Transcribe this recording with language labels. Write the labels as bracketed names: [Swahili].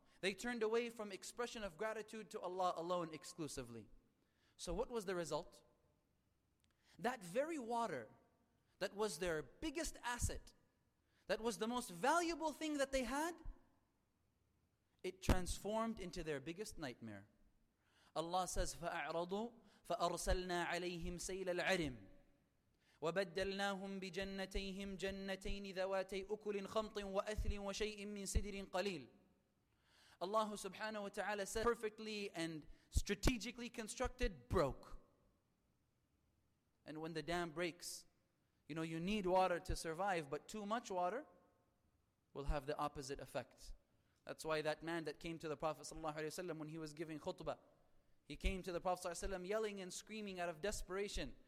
[English] They turned away from expression of gratitude to Allah alone exclusively. So what was the result? That very water that was their biggest asset, that was the most valuable thing that they had, it transformed into their biggest nightmare. Allah says, [Arabic] فَأَعْرَضُوا فَأَرْسَلْنَا عَلَيْهِمْ سَيْلَ الْعَرِمِ وَبَدَّلْنَاهُمْ بِجَنَّتَيْهِمْ جَنَّتَيْنِ ذَوَاتَيْ أُكُلٍ خَمْطٍ وَأَثْلٍ وَشَيْءٍ مِّن سِدْرٍ قَلِيلٍ. [English] Allah subhanahu wa ta'ala said, perfectly and strategically constructed, broke. And when the dam breaks, you know, you need water to survive, but too much water will have the opposite effect. That's why that man that came to the Prophet sallallahu alayhi wa sallam when he was giving khutbah, he came to the Prophet sallallahu alayhi wa sallam yelling and screaming out of desperation.